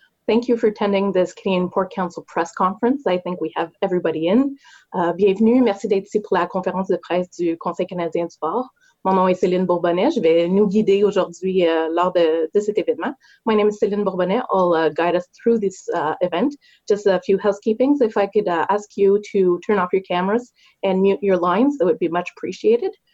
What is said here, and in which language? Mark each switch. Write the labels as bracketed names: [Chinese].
[English] Thank you for attending this Canadian Pork Council press conference. I think we have everybody in. Bienvenue. [French] Merci d'être ici pour la conférence de presse du Conseil canadien du porc. Mon nom est Céline Bourbonnais. Je vais nous guider aujourd'hui lors de cet événement. [English] My name is Céline Bourbonnais. I'll guide us through this event. Just a few housekeepings. If I could ask you to turn off your cameras and mute your lines, that would be much appreciated.